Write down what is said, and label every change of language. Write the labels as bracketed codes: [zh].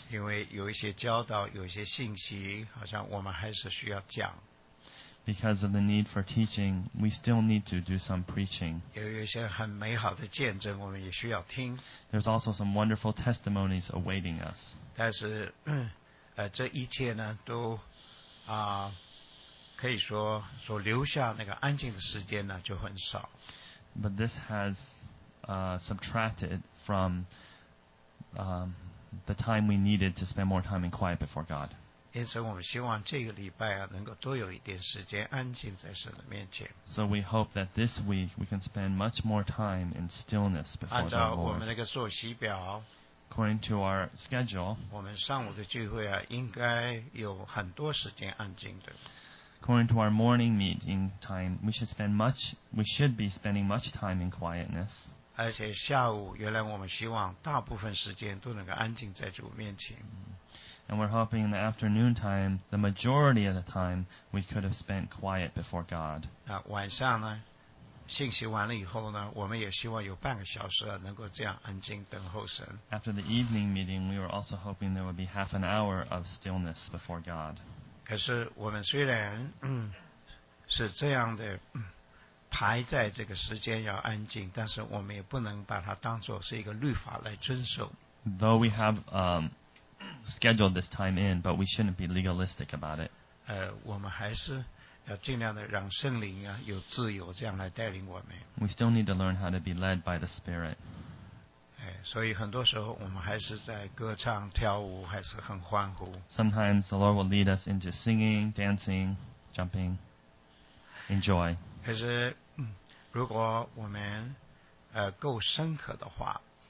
[zh] 因为有一些教导、有一些信息，好像我们还是需要讲。 [en] Because of the need for teaching, we still need to do some preaching. [zh] 有一些很美好的见证，我们也需要听。 [en] There's also some wonderful testimonies awaiting us. [zh] 但是，这一切呢，都可以说所留下那个安静的时间呢，就很少。 [en] But this has subtracted from the time we needed to spend more time in quiet before God. [zh] 因此我们希望这个礼拜、啊、能够多有一点时间安静在神的面前。 [en] So we hope that this week we can spend much more time in stillness before the Lord. [zh] 按照我们那个作息表 [en] ，According to our schedule， [zh] 我们上午的聚会啊，应该有很多时间安静的。 [en] According to our morning meeting time, we should be spending much time in quietness. [zh] 而且下午，原来我们希望大部分时间都能够安静在主面前。 [en] And we're hoping in the afternoon time, the majority of the time, we could have spent quiet before God. [zh] 啊，晚上呢，信息完了以后呢，我们也希望有半个小时能够这样安静等候神。 [en] After the evening meeting, we were also hoping there would be half an hour of stillness before God. [zh] 可是我们虽然、嗯、是这样的、嗯、排在这个时间要安静，但是我们也不能把它当作是一个律法来遵守。 [en] Though we have scheduled this time in, but we shouldn't be legalistic about it. [zh] 我们还是要尽量的让圣灵啊有自由这样来带领我们。 [en] We still need to learn how to be led by the Spirit. [zh] 所以很多时候我们还是在歌唱跳舞还是很欢呼。 [en] Sometimes the Lord will lead us into singing, dancing, jumping, enjoy. [zh] 可是、嗯、如果我们、够深刻的话